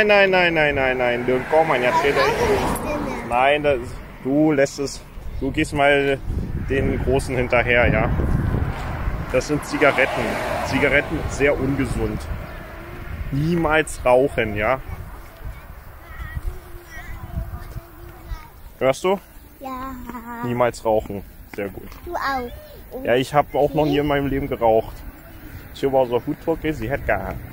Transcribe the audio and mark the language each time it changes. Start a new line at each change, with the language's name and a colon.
Vietnamese: Này, đừng có mà nhặt cái đấy.
German: Này, du lässt es. Du gehst mal den großen hinterher, ja. Das sind Zigaretten. Zigaretten sehr ungesund. Niemals rauchen, ja. Hörst du? Ja. Niemals rauchen. Sehr gut. Du auch. Ja, ich habe auch noch nie in meinem Leben geraucht.
Vietnamese: Chưa bao giờ hút thuốc cái gì hết cả.